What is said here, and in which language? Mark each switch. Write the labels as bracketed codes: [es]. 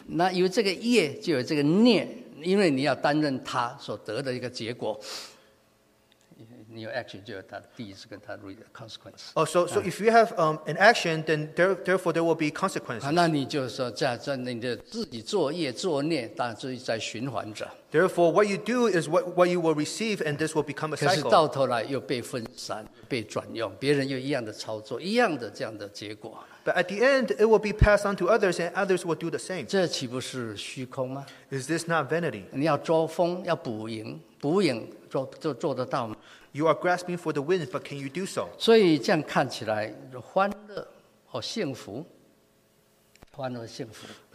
[zh] 那有这个业，就有这个念，因为你要担任它所得的一个结果。你有 action 就有它的意思跟它的 consequence。 [en] Oh, so if you have an action, then therefore there will be consequences. [zh] 那你就说在你的自己作业作念，但是在循环着。 [en] Therefore, what you do is what you will receive, and this will become a cycle. [zh] 可是到头来又被分散、被转用，别人又一样的操作，一样的这样的结果。 [en] But at the end, it will be passed on to others, and others will do the same. [zh] 这岂不是虚空吗 [en] ？Is this not vanity? [zh] 你要捉风，要捕蝇，捕蝇做得到吗？ [en] You are grasping for the wind, but can you do so? [zh] 所以这样看起来，欢乐和幸福，欢乐幸福。